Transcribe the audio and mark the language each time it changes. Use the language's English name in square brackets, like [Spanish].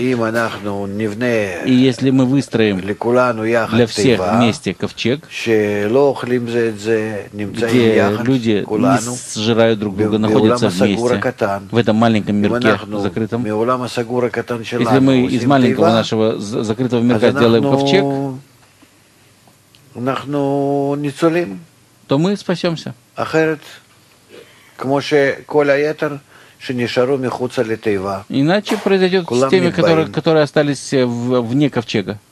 [Russian] И если мы выстроим для всех вместе ковчег, где люди не сжирают друг друга, находятся вместе в этом маленьком мирке закрытом, если мы из маленького нашего закрытого мирка сделаем ковчег, то мы спасемся. [Hebrew] אחרת, כמו שכל היתר שנשארו מחוץ לתיבה. [Russian] Иначе произойдет с теми, которые остались вне ковчега.